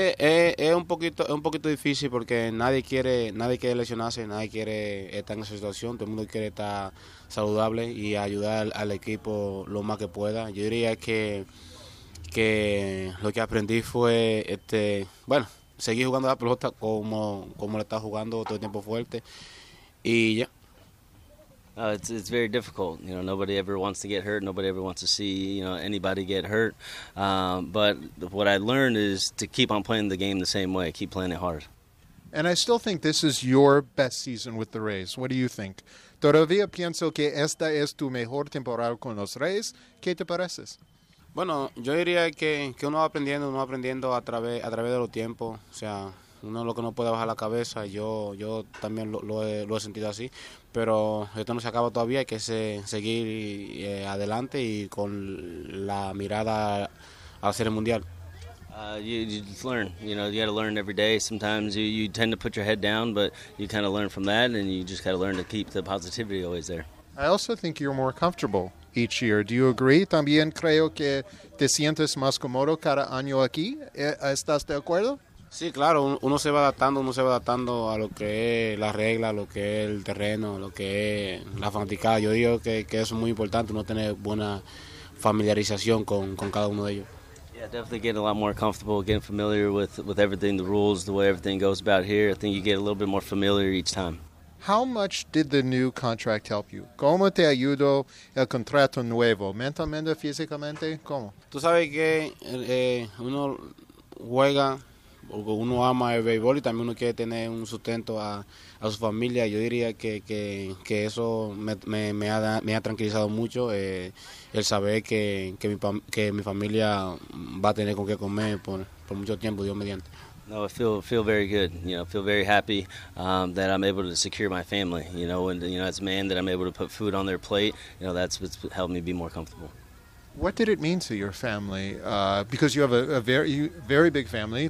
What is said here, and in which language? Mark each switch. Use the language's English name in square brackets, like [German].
[Spanish] Es un poquito difícil porque nadie quiere lesionarse, nadie quiere estar en esa situación, todo el mundo quiere estar saludable y ayudar al equipo lo más que pueda. Yo diría que lo que aprendí fue seguir jugando la pelota como le estaba jugando todo el tiempo fuerte y ya. [English] It's very difficult. You know, nobody ever wants to get hurt. Nobody ever wants to see, you know, anybody get hurt. But what I learned is to keep on playing the game the same way, keep playing it hard. And I still think this is your best season with the Rays. What do you think? [Spanish] Todavía pienso que esta es tu mejor temporada con los Rays. ¿Qué te parece? Bueno, yo diría que uno va aprendiendo a través de los tiempos, o sea, uno lo que no puede bajar la cabeza, yo también lo he sentido así, pero esto no se acaba todavía, hay que seguir adelante y con la mirada a la Serie Mundial. [English] You just learn, you know, you got to learn every day. Sometimes you tend to put your head down, but you kind of learn from that, and you just got to learn to keep the positivity always there. I also think you're more comfortable each year. Do you agree? [Spanish] También creo que te sientes más cómodo cada año aquí. ¿Estás de acuerdo? Sí, claro, uno se va adaptando a lo que es la regla, lo que es el terreno, lo que es la fanaticada. Yo digo que eso es muy importante, uno tener buena familiarización con cada uno de ellos. [English] Yeah, definitely getting a lot more comfortable, getting familiar with everything, the rules, the way everything goes about here. I think you get a little bit more familiar each time. How much did the new contract help you? [Spanish] ¿Cómo te ayudó el contrato nuevo? ¿Mentalmente, físicamente? ¿Cómo? Tú sabes que uno juega... Uno ama el béisbol y también uno quiere tener un sustento a su familia. Yo diría que eso me ha tranquilizado mucho, el saber que mi familia va a tener con qué comer por mucho tiempo, Dios mediante. [English] No, I feel very good. You know, feel very happy that I'm able to secure my family. You know, and you know, as a man that I'm able to put food on their plate, you know, that's what's helped me be more comfortable. What did it mean to your family? Because you have a very, very big family.